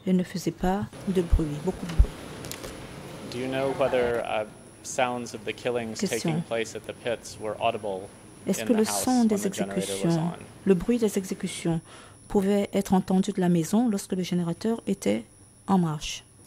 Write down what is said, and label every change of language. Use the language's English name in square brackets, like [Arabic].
[French] Il ne faisait pas de bruit, beaucoup de bruit. [English] Do you know whether sounds of the killings [French] question. [English] Taking place at the pits were audible? [French] Est-ce que le son des exécutions, le bruit des exécutions, pouvait être entendu de la maison lorsque le générateur était en marche?